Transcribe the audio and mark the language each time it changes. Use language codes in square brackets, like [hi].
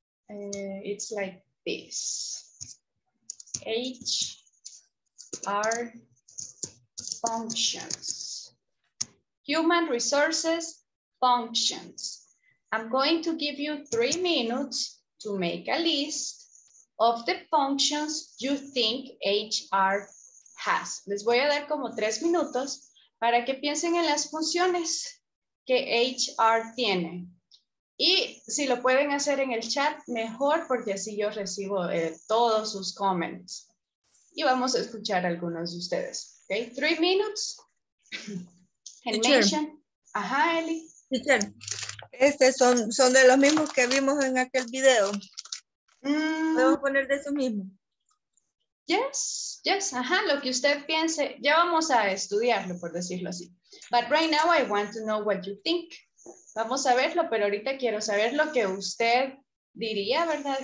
[en] It's like this. HR functions. Human resources functions. I'm going to give you 3 minutes to make a list of the functions you think HR has. [es] Les voy a dar como 3 minutos para que piensen en las funciones que HR tiene. Y si lo pueden hacer en el chat, mejor, porque así yo recibo todos sus [en] comments. [es] Y vamos a escuchar a algunos de ustedes. [en] Okay, 3 minutes. [es] Ajá, Eli. Teacher, estos son de los mismos que vimos en aquel video. ¿Puedo poner de eso mismo? [en] Yes. [es] Ajá, lo que usted piense. Ya vamos a estudiarlo, por decirlo así. [en] But right now I want to know what you think. [es] Vamos a verlo, pero ahorita quiero saber lo que usted diría, ¿verdad?